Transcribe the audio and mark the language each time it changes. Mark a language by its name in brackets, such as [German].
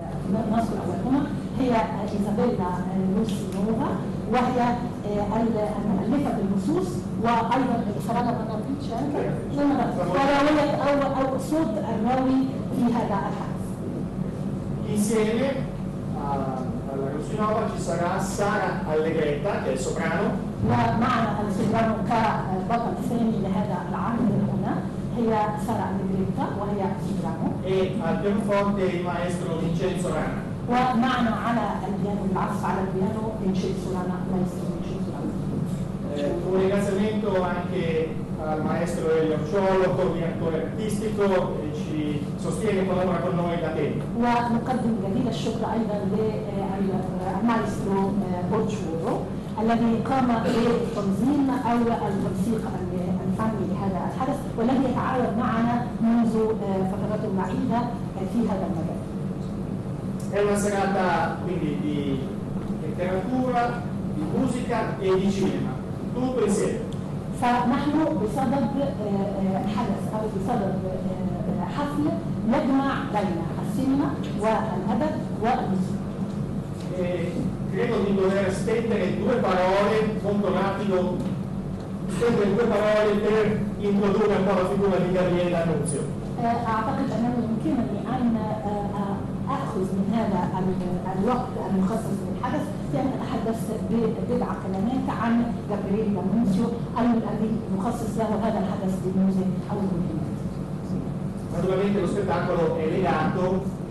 [Arabic] إيزابيلا نوس نوفا، وهي المؤلفة بالنصوص وأيضا الفرقة من الفيتشر، فهو أول أو صوت الراوي في هذا الحدث. [Italian] Insieme alla Nuzzi Nova ci sarà Sara Allegretta, che è soprano. [Arabic] ومعنا السوبرانو كبطل ثاني لهذا العمل هنا هي سارة أليغريتا وهي سوبرانو. [Italian] E al pianoforte il maestro Vincenzo Rana. [Arabic] ومعنا على البيانو العزف على البيانو Vincenzo Rana maestro Vincenzo Rana. [Italian] Un ringraziamento anche al maestro Elio Ciolo, coordinatore artistico, che ci sostiene e collabora con noi da tempo. [Arabic] ونقدم جزيل الشكر أيضا للمايسترو بورتشولو الذي قام بتنظيم أو التنسيق الفني لهذا الحدث والذي يتعاون معنا منذ فترات معينة في هذا المجال. [Italian] È una serata quindi di letteratura, di musica e di cinema, tutto insieme. [Arabic] فنحن بصدد حدث أو بصدد حفل نجمع بين السينما والأدب والموسيقى. [Italian] Credo di dover spendere due parole molto rapido, spendere due parole per introdurre un po' la figura di Gabriella Annunzio. [Arabic] أعتقد أنني يمكنني أن أخذ من هذا الوقت المخصص للحدث في أن أتحدث ببضع كلمات عن جابرييل أنونسيو الذي مخصص له هذا الحدث بالموزه أو المهمة. [Italian] Naturalmente lo spettacolo è legato